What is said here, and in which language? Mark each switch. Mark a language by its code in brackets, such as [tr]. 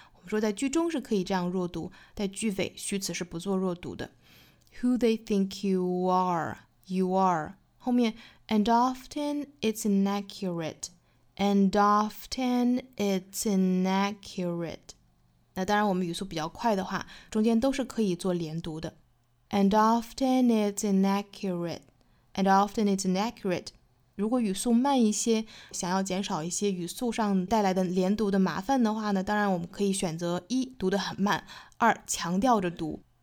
[zh] 我们说在句中是可以这样弱读，在句尾虚词是不做弱读的。 [en] Who they think you are， you are， 后面And often it's inaccurate. And often it's inaccurate. [zh] 那当然我们语速比较快的话，中间都是可以做连读的。 [en] And often it's inaccurate. And often it's inaccurate. [zh] 如果语速慢一些，想要减少一些语速上带来的连读的麻烦的话呢，当然我们可以选择一，读得很慢，二，强调着读。